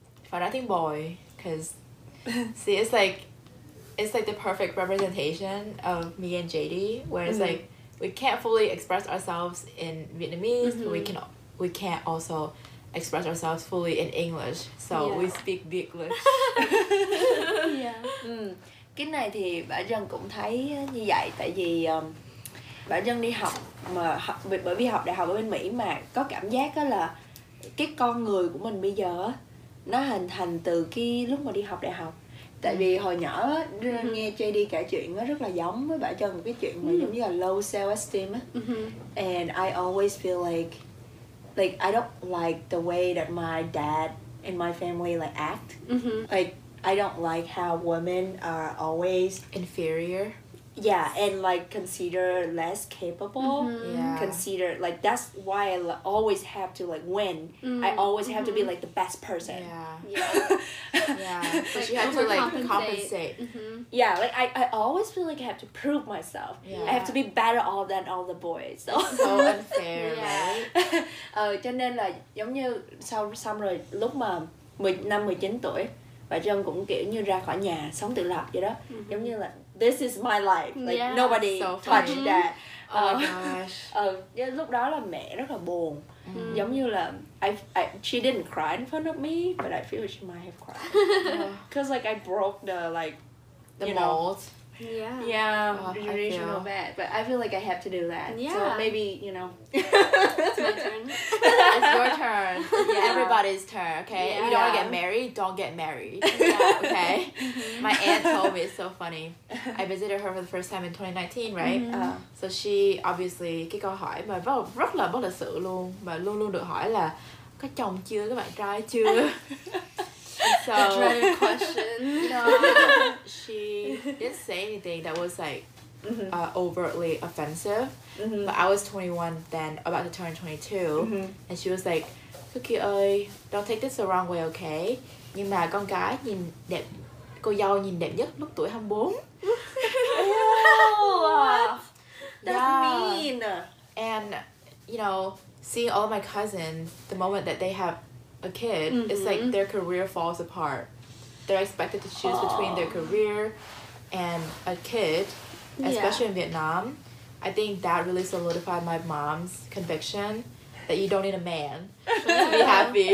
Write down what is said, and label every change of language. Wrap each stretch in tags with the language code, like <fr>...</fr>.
<en>But I think boy, cause see, it's like the perfect representation of me and JD, where it's like we can't fully express ourselves in Vietnamese, but we can't also express ourselves fully in English, so we speak Vietlish.</en> <vi>Cái này thì bả Dân cũng thấy như vậy, tại vì bả Dân đi học mà bởi vì học đại học ở bên Mỹ mà có cảm giác là cái con người của mình bây giờ nó hình thành từ cái lúc mà đi học đại học. Tại vì hồi nhỏ nghe JD kể chuyện nó rất là giống với bả Dân, cái chuyện mà giống như là low self-esteem.</vi> <en>And I always feel like I don't like the way that my dad and my family like act. Like I don't like how women are always inferior. Yeah, and like consider less capable. Mm-hmm. Yeah. Consider, like, that's why I always have to, like, win. Mm-hmm. I always have to be, like, the best person. Yeah. Yeah. Yeah. But you have to, like, compensate. Mm-hmm. Yeah, like, I always feel like I have to prove myself. Yeah. I have to be better all than all the boys. So, so unfair, right?</en> <vi>cho nên là giống như sau xong rồi lúc mà 19 tuổi, và Trân cũng kiểu như ra khỏi nhà, sống tự lập vậy đó. Mm-hmm. Giống như là</vi> <en>this is my life. Like, yeah, nobody so touched that. Oh my gosh.</en> <vi>Lúc đó là mẹ rất là buồn. Mm. Giống như là</vi> <en>I she didn't cry in front of me, but I feel she might have cried. Cause like I broke the like the you mold. Know, yeah. Yeah. Oh, relational bad. But I feel like I have to do that. Yeah. So maybe, you know. It's my turn. It's your turn. Yeah. Everybody's turn, okay? Yeah. If you don't wanna get married, don't get married. Yeah. Okay? Mm-hmm. My aunt told me, it's so funny. I visited her for the first time in 2019, right? Mm-hmm. So she obviously,</en> <vi>khi câu hỏi mà rất là bất lịch sự luôn, mà luôn luôn được hỏi là có chồng chưa, các bạn trai chưa?</vi> <en>So, the dreaded question. No, she didn't say anything that was like overtly offensive. Mm-hmm. But I was 21 then, about to turn 22. Mm-hmm. And she was like, Cookie ơi, don't take this the wrong way, okay?</en> <vi>Nhưng mà con gái nhìn đẹp, cô dâu nhìn đẹp nhất lúc tuổi 24.</vi> <en>Oh, what? That's mean. And, you know, seeing all my cousins, the moment that they have a kid, mm-hmm. it's like their career falls apart. They're expected to choose between their career and a kid. Especially yeah. in Vietnam, I think that really solidified my mom's conviction that you don't need a man to be happy.</en>